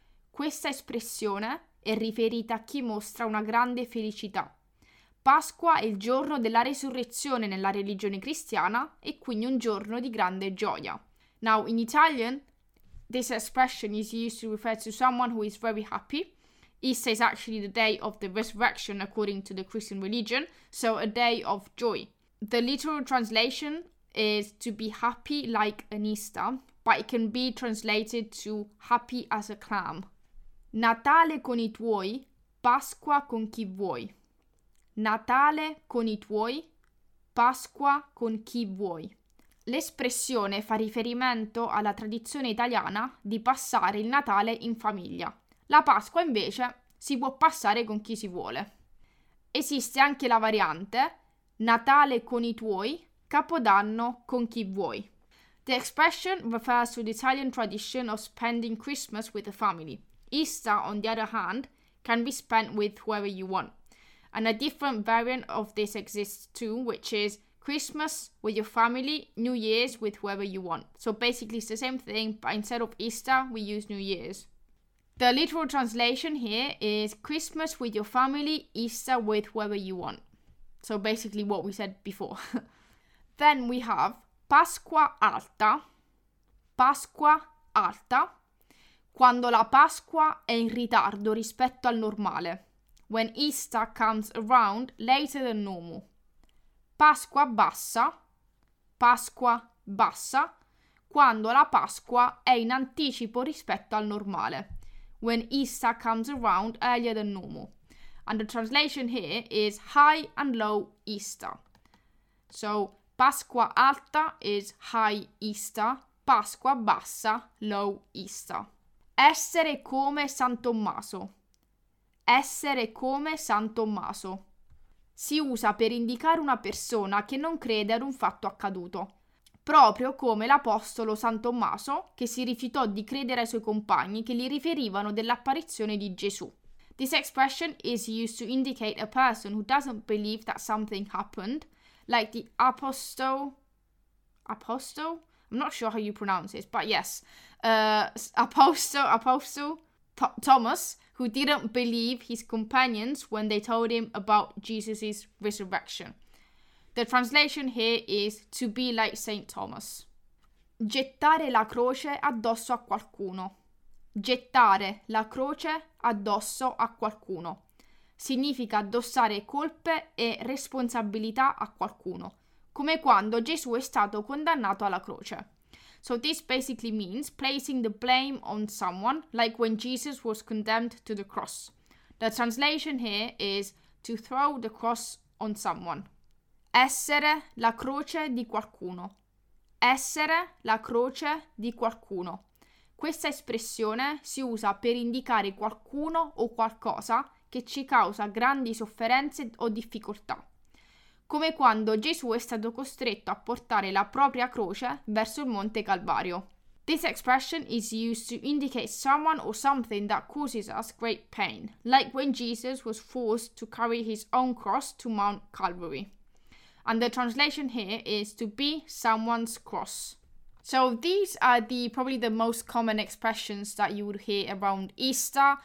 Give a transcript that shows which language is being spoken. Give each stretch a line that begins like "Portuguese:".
Italian: Questa espressione è riferita a chi mostra una grande felicità. Pasqua è il giorno della resurrezione nella religione cristiana e quindi un giorno di grande gioia.
English: Now, in Italian, this expression is used to refer to someone who is very happy. Easter is actually the day of the resurrection according to the Christian religion, so a day of joy. The literal translation is to be happy like an Easter, but it can be translated to happy as a clam.
Italian: Natale con I tuoi, Pasqua con chi vuoi. Natale con I tuoi, Pasqua con chi vuoi. L'espressione fa riferimento alla tradizione italiana di passare il Natale in famiglia. La Pasqua invece si può passare con chi si vuole. Esiste anche la variante Natale con I tuoi, Capodanno con chi vuoi.
English: The expression refers to the Italian tradition of spending Christmas with the family. Easter, on the other hand, can be spent with whoever you want. And a different variant of this exists too, which is Christmas with your family, New Year's with whoever you want. So basically it's the same thing, but instead of Easter, we use New Year's. The literal translation here is Christmas with your family, Easter with whoever you want. So basically what we said before. Then we have
Italian: Pasqua alta, Pasqua alta, quando la Pasqua è in ritardo rispetto al normale.
English: When Easter comes around later than normal.
Italian: Pasqua bassa, Pasqua bassa, quando la Pasqua è in anticipo rispetto al normale.
English: When Easter comes around earlier than normal. And the translation here is high and low Easter. So, Pasqua alta is high Easter, Pasqua bassa, low Easter.
Italian: Essere come San Tommaso. Essere come San Tommaso. Si usa per indicare una persona che non crede ad un fatto accaduto, proprio come l'apostolo San Tommaso che si rifiutò di credere ai suoi compagni che gli riferivano dell'apparizione di Gesù.
English: This expression is used to indicate a person who doesn't believe that something happened. Like the apostle, apostle? I'm not sure how you pronounce this, but yes, apostle Thomas, who didn't believe his companions when they told him about Jesus' resurrection. The translation here is to be like Saint Thomas.
Italian: Gettare la croce addosso a qualcuno. Gettare la croce addosso a qualcuno. Significa addossare colpe e responsabilità a qualcuno, come quando Gesù è stato condannato alla croce.
English: So this basically means placing the blame on someone, like when Jesus was condemned to the cross. The translation here is to throw the cross on someone.
Italian: Essere la croce di qualcuno. Essere la croce di qualcuno. Questa espressione si usa per indicare qualcuno o qualcosa che ci causa grandi sofferenze o difficoltà, come quando Gesù è stato costretto a portare la propria croce verso il Monte Calvario.
English: This expression is used to indicate someone or something that causes us great pain, like when Jesus was forced to carry his own cross to Mount Calvary. And the translation here is to be someone's cross. So these are probably the most common expressions that you would hear around Easter.